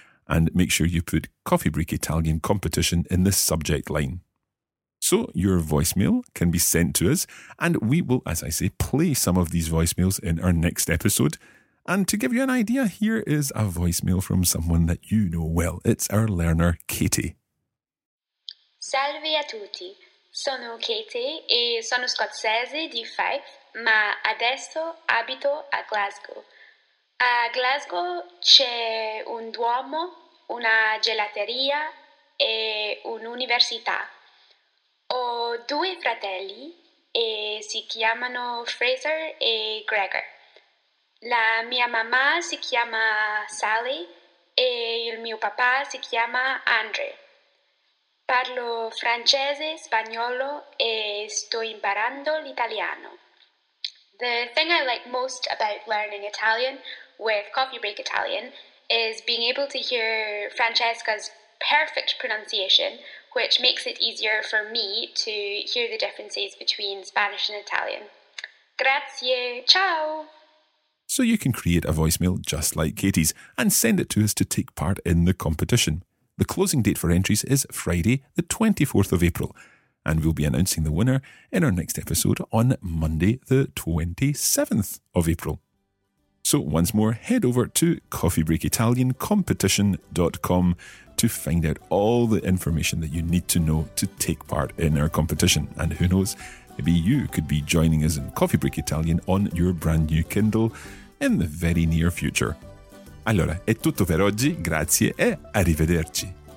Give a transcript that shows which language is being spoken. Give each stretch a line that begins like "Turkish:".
English: And make sure you put Coffee Break Italian Competition in the subject line. So your voicemail can be sent to us, and we will, as I say, play some of these voicemails in our next episode. And to give you an idea, here is a voicemail from someone that you know well. It's our learner, Katie.
Italian: Salve a tutti. Sono Katie e sono scozzese di Fife, ma adesso abito a Glasgow. A Glasgow c'è un duomo, una gelateria e un'università. Ho due fratelli e si chiamano Fraser e Gregor. La mia mamma si chiama Sally e il mio papà si chiama Andre. Parlo francese, spagnolo e sto imparando l'italiano.
English: The thing I like most about learning Italian with Coffee Break Italian is being able to hear Francesca's perfect pronunciation, which makes it easier for me to hear the differences between Spanish and Italian.
Italian: Grazie, ciao!
English: So you can create a voicemail just like Katie's and send it to us to take part in the competition. The closing date for entries is Friday, the 24th of April, and we'll be announcing the winner in our next episode on Monday, the 27th of April. So once more, head over to coffeebreakitaliancompetition.com to find out all the information that you need to know to take part in our competition. And who knows, maybe you could be joining us in Coffee Break Italian on your brand new Kindle in the very near future.
Italian: Allora, è tutto per oggi, grazie e arrivederci.